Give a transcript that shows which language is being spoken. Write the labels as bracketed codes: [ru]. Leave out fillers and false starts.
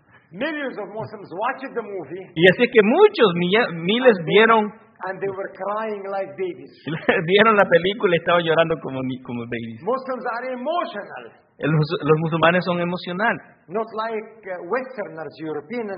[en] Millions of Muslims watched the movie. [es] Y así que muchos miles vieron. [en] And they were crying like babies. [es] Vieron la película y estaban llorando como babies. [en] Muslims are emotional. [es] Los musulmanes son emocional. [en] Not like Westerners, European and